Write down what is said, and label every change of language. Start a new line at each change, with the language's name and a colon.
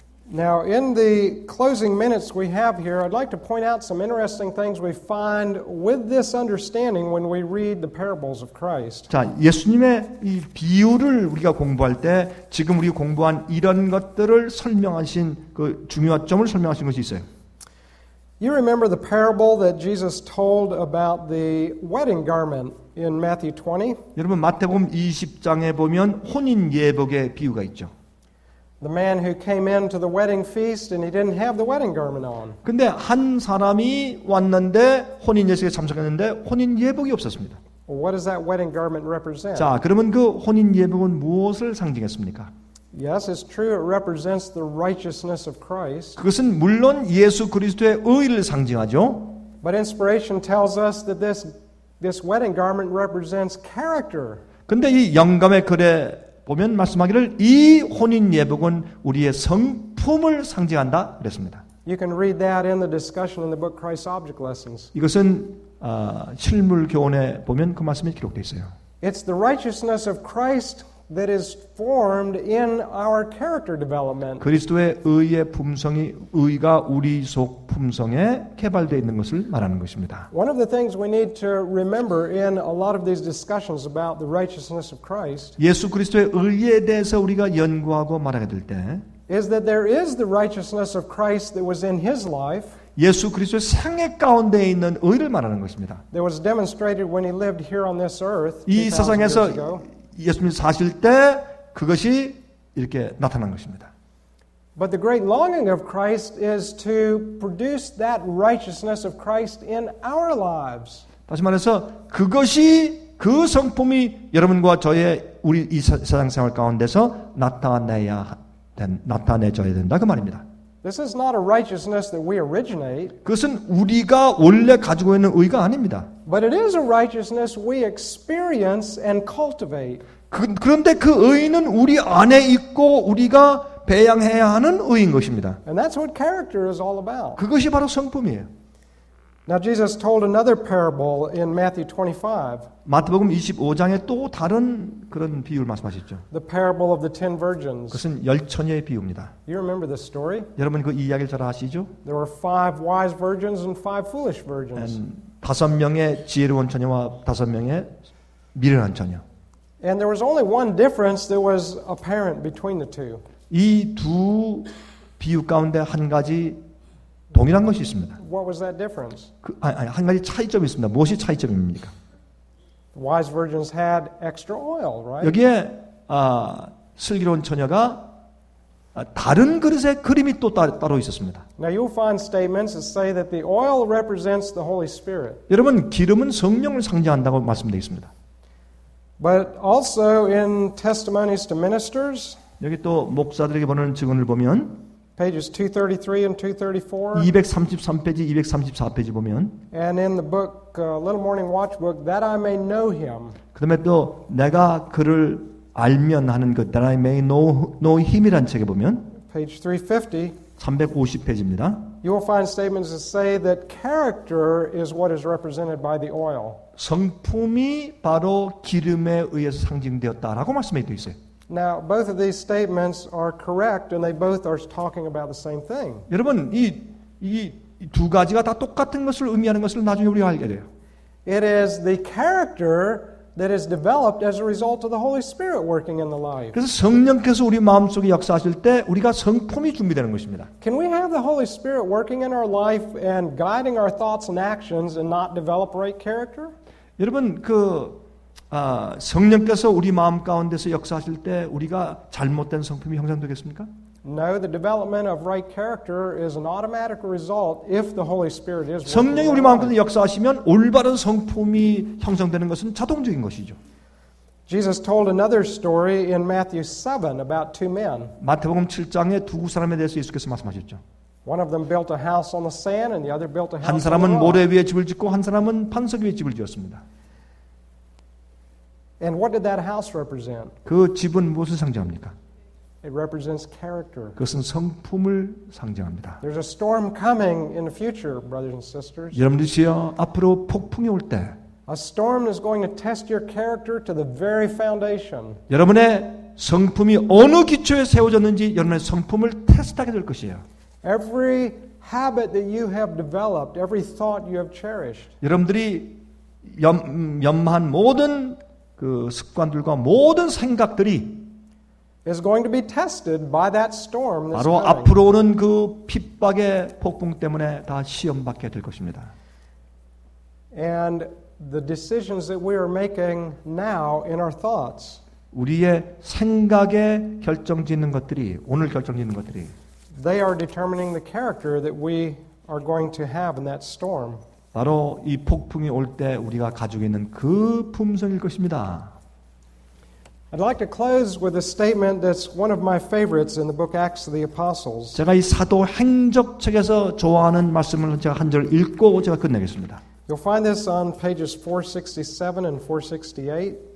English: Now, in the closing minutes we have here, I'd like to point out some interesting things we find with this understanding when we read the parables of Christ.
Korean: 자, 예수님의 이 비유를 우리가 공부할 때 지금 우리 공부한 이런 것들을 설명하신 그 중요점을 설명하신 것이 있어요.
English: You remember the parable that Jesus told about the wedding garment in Matthew 20?
Korean: 여러분 마태복음 20장에 보면 혼인 예복의 비유가 있죠.
English: The man who came into the wedding feast and he didn't have the wedding garment on.
Korean: 근데 한 사람이 왔는데 혼인 예식에 참석했는데 혼인 예복이 없었습니다.
English: Well, what does that wedding garment represent?
Korean: 자, 그러면 그 혼인 예복은 무엇을 상징했습니까?
English: Yes, it's true. It represents the righteousness of Christ.
Korean: 그것은 물론 예수 그리스도의 의를 상징하죠.
English: But inspiration tells us that this wedding garment represents character.
Korean: 근데 이 영감의 글에 보면 말씀하기를 이 혼인 예복은 우리의 성품을 상징한다 그랬습니다.
English: You can read that in the discussion in the book Christ Object Lessons.
Korean: 이것은 실물 교훈에 보면 그 말씀이 기록돼 있어요.
English: It's the righteousness of Christ. That is formed in our character development.
Korean: 그리스도의 의의 품성이 의가 우리 속 품성에 개발되어 있는 것을 말하는 것입니다.
English: One of the things we need to remember in a lot of these discussions about the righteousness of Christ.
Korean: 예수 그리스도의 의에 대해서 우리가 연구하고 말하게 될 때
English: is that there is the righteousness of Christ that was in his life.
Korean: 예수 그리스도의 생애 가운데 있는 의를 말하는 것입니다.
English: There was demonstrated when he lived here on this earth.
Korean: 이 세상에서 예수님이 사실 때 그것이 이렇게 나타난 것입니다.
English: But the great longing of Christ is to produce that righteousness of Christ in our lives.
Korean: 다시 말해서 그것이 그 성품이 여러분과 저의 우리 이 세상 생활 가운데서 나타내져야 된다 그 말입니다.
English: This is not a righteousness that we originate.
Korean: 그것은 우리가 원래 가지고 있는 의가 아닙니다.
English: But it is a righteousness we experience and cultivate.
Korean: 그런데 그 의는 우리 안에 있고 우리가 배양해야 하는 의인 것입니다.
English: And that's what character is all about.
Korean: 그것이 바로 성품이에요.
English: Now Jesus told another parable in Matthew 25.
Korean: 마태복음 25장에 또 다른 그런 비유를 말씀하셨죠.
English: The parable of the ten virgins.
Korean: 그것은 열 처녀의 비유입니다.
English: You remember this story?
Korean: 여러분 그 이야기를 잘 아시죠?
English: There were five wise virgins and five foolish virgins.
Korean: 다섯 명의 지혜로운 처녀와 다섯 명의 미련한 처녀.
English: And there was only one difference that was apparent between the two.
Korean: 이 두 비유 가운데 한 가지 동일한 것이 있습니다. What was that difference? 한 가지 차이점이 있습니다. 무엇이 차이점입니까?
English: The wise virgins had extra oil, right?
Korean: 여기에 슬기로운 처녀가 다른 그릇에 그림이 또 따로 있었습니다.
English: Now you'll find statements that say that the oil represents the Holy Spirit.
Korean: 여러분 기름은 성령을 상징한다고 말씀되어 있습니다.
English: But also in testimonies to ministers.
Korean: 여기 또 목사들에게 보내는 증언을 보면
English: Pages 233 and 234.
Korean: 233페이지, 234페이지 보면.
English: And in the book, Little Morning Watch book, that I may know him.
Korean: 그다음에 또 내가 그를 알면 하는 것, that I may know him이란 책에 보면.
English: Page 350.
Korean: 350페이지입니다.
English: You will find statements that say that character is what is represented by the oil.
Korean: 성품이 바로 기름에 의해서 상징되었다라고 말씀해 주고 있어요.
English: Now, both of these statements are correct, and they both are talking about the same thing.
Korean: 여러분, 이 이 두 가지가 다 똑같은 것을 의미하는 것을 나중에 우리가 알게 돼요.
English: It is the character that is developed as a result of the Holy Spirit working in the life.
Korean: 그래서 성령께서 우리 마음속에 역사하실 때 우리가 성품이 준비되는 것입니다.
English: Can we have the Holy Spirit working in our life and guiding our thoughts and actions and not develop right character?
Korean: 여러분 그 성령께서 우리 마음 가운데서 역사하실 때 우리가 잘못된 성품이 형성되겠습니까?
English: No, the development of right character is an automatic result if the Holy Spirit is.
Korean: 성령이 우리 마음 가운데 역사하시면 올바른 성품이 형성되는 것은 자동적인 것이죠.
English: Jesus told another story in Matthew 7 about two men.
Korean: 마태복음 7장에 두 사람에 대해서 예수께서 말씀하셨죠.
English: One of them built a house on the sand, and the other built a house.
Korean: 한 사람은 모래 위에 집을 짓고 한 사람은 판석 위에 집을 지었습니다.
English: And what did that house represent?
Korean: 그 집은 무엇을 상징합니까?
English: It represents character.
Korean: 그것은 성품을 상징합니다.
English: There's a storm coming in the future, brothers and sisters.
Korean: 여러분들이요, 앞으로 폭풍이 올 때.
English: A storm is going to test your character to the very foundation.
Korean: 여러분의 성품이 어느 기초에 세워졌는지 여러분의 성품을 테스트하게 될 것이에요.
English: Every habit that you have developed, every thought you have cherished.
Korean: 여러분들이 연마한 모든 그 습관들과 모든 생각들이
English: is going to be tested by that storm.
Korean: 바로 앞으로 오는 그 핍박의 폭풍 때문에 다 시험받게 될 것입니다.
English: And the decisions that we are making now in our thoughts.
Korean: 우리의 생각에 결정 짓는 것들이 오늘 결정 짓는 것들이
English: they are determining the character that we are going to have in that storm.
Korean: 바로 이 폭풍이 올 때 우리가 가지고 있는 그 품성일 것입니다.
English: I'd like to close with a statement that's one of my favorites in the book Acts of the Apostles.
Korean: 제가 이 사도 행적책에서 좋아하는 말씀을 제가 한 절 읽고 제가 끝내겠습니다.
English: You'll find this on pages 467 and 468.